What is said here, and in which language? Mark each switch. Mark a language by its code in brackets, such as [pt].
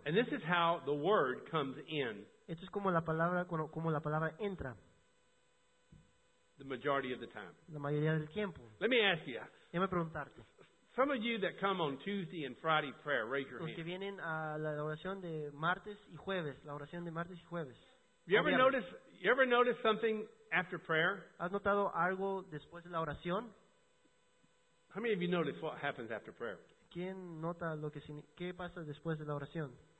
[en] And this is how the word comes in. [es] Esto es como la palabra, como la palabra entra. [en] The majority of the time. [es] La mayoría del tiempo. [en] Let me ask you. [es] Déjame preguntarte. [en] Some of you that come on Tuesday and Friday prayer, raise your hand. [es] Los que vienen a la oración de martes y jueves, la oración de martes y jueves. [en] You ever notice something after prayer? [es] ¿Has notado algo después de la oración? [en] How many of you notice what happens after prayer? [es] ¿Quién nota lo que qué pasa después de la oración?